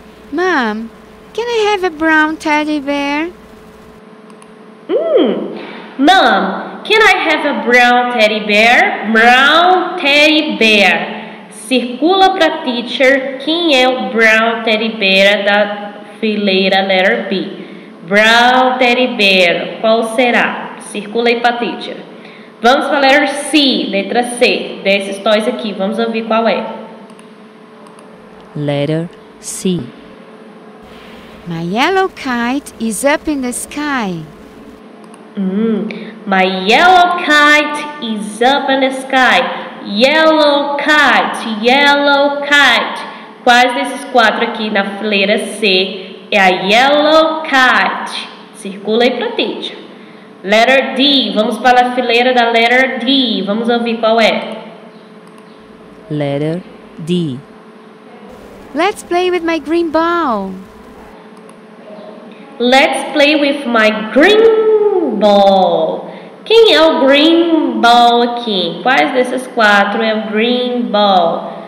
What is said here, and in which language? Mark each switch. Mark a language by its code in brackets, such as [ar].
[en] Mom, can I have a brown teddy bear? Mom, can I have a brown teddy bear? Brown teddy bear. [pt] Circula para a teacher quem é o brown teddy bear da fileira letter B. Brown teddy bear. Qual será? Circula aí para a teacher. Vamos para a letra C, letra C, desses toys aqui. Vamos ouvir qual é. [en] Letter C. My yellow kite is up in the sky. My yellow kite is up in the sky. Yellow kite, yellow kite. [pt] Quais desses 4 aqui na fileira C é a yellow kite? Circula aí para a teacher. Letter D. Vamos para a fileira da letter D. Vamos ouvir qual é. [en] Letter D. Let's play with my green ball. Let's play with my green ball. [pt] Quem é o green ball aqui? Quais desses 4 é o green ball?